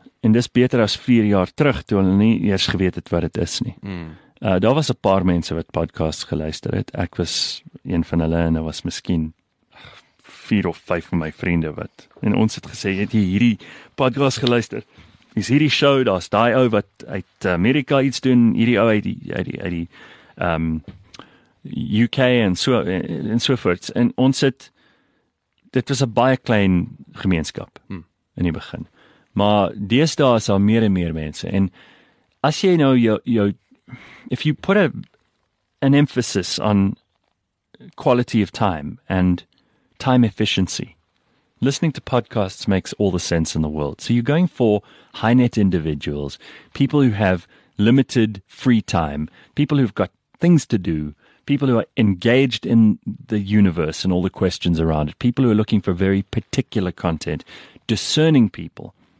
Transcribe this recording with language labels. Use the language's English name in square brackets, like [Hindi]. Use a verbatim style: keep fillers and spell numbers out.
[Afrikaans] En dis beter as vier jaar terug, toe hulle nie eers geweet het wat dit is nie. Mm. Uh, daar was 'n paar mense wat podcasts geluister het. Ek was een van hulle en daar was miskien vier of vyf van my vriende wat. En ons het gesê, het jy hierdie podcast geluister? Is hierdie show, daar's daai ou wat uit Amerika iets doen, hierdie ou uit die, uit die, uit die um, U K en so, en so voort. En ons het, dit was 'n baie klein gemeenskap mm. in die begin. Maar deesdae is daar meer en meer mense. En as jy nou jou, jou [English] if you put a, an emphasis on quality of time and time efficiency, listening to podcasts makes all the sense in the world. So you're going for high net individuals, people who have limited free time, people who've got things to do, people who are engaged in the universe and all the questions around it, people who are looking for very particular content, discerning people.